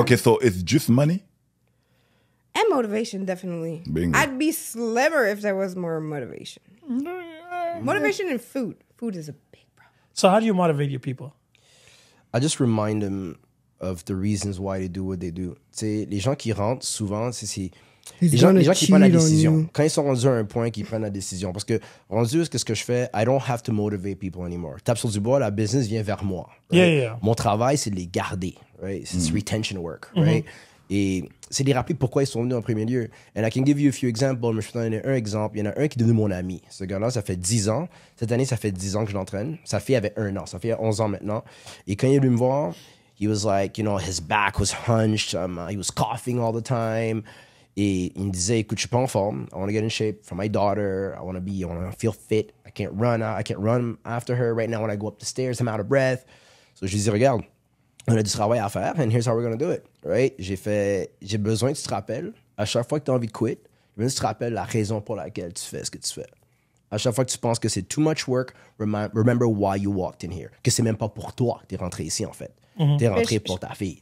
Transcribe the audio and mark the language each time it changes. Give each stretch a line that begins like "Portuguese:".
English: Okay, so it's just money? And motivation, definitely. Bingo. I'd be slimmer if there was more motivation. Motivation and food. Food is a big problem. So how do you motivate your people? I just remind them of the reasons why they do what they do.
French: Tu sais, les gens qui rentrent souvent, c'est les gens qui prennent la décision. Quand ils sont rendus à un point, qu'ils prennent la décision. Parce que rendu, ce que je fais,
English: I don't have to motivate people anymore.
French: Tape sur du bois, la business vient vers moi.
English: Right? Yeah, yeah.
French: Mon travail, c'est de les garder. Right? C'est
English: retention work.
French: Right? Et c'est de les rappeler pourquoi ils sont venus en premier lieu.
English: And I can give you a few examples,
French: mais je peux t'en donner un exemple. Il y en a un qui est devenu mon ami. Ce gars-là, ça fait 10 ans. Cette année, ça fait 10 ans que je l'entraîne. Sa fille avait 1 an. Sa fille a 11 ans maintenant. Et quand il est venu me voir,
English: he was like, you know, his back was hunched. He was coughing all the time.
French: Et il me disait, écoute, je suis pas en forme.
English: I want to get in shape for my daughter. I want to feel fit. I can't run after her right now when I go up the stairs. I'm out of breath. So
French: je lui dis, regarde, on a du travail à faire,
English: and here's how we're going to do it, right?
French: J'ai besoin que tu te rappelles, à chaque fois que tu as envie de quit, j'ai besoin que tu te rappelles la raison pour laquelle tu fais ce que tu fais. À chaque fois que tu penses que c'est
English: too much work, remember why you walked in here.
French: Que c'est même pas pour toi que tu es rentré ici, en fait. Mm-hmm. Tu es rentré pour ta fille.